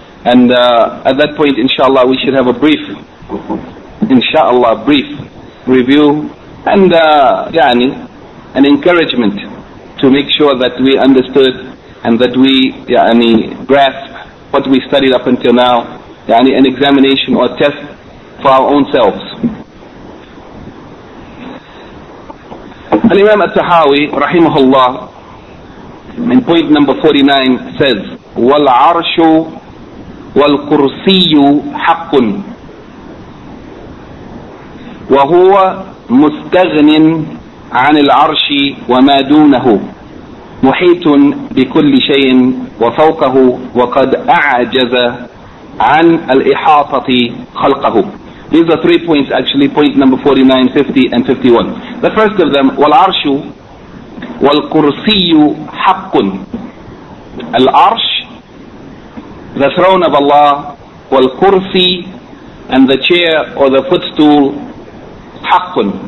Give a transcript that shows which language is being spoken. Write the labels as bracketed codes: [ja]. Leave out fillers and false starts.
[en] And at that point, inshallah, we should have a brief, inshallah, brief review and an encouragement to make sure that we understood and that we grasp what we studied up until now, an examination or test for our own selves. Al-Imam al-Tahawi, rahimahullah, in point number 49 says, [ar] وَالْعَرْشُ وَالْكُرْسِيُّ حَقٌ وَهُوَ مُسْتَغْنٍ عَنِ الْعَرْشِ وَمَا دُونَهُ محيط بكل شيء وفوقه وقد أعجز عن الإحاطة خلقه [en] These are 3 points actually, point number 49, 50 and 51. The first of them, [ar] وَالْعَرْشُ وَالْقُرْسِيُّ حَقٌ. [en] Al-Arsh, the throne of Allah, وَالْقُرْسِي, and the chair or the footstool, حَقٌ.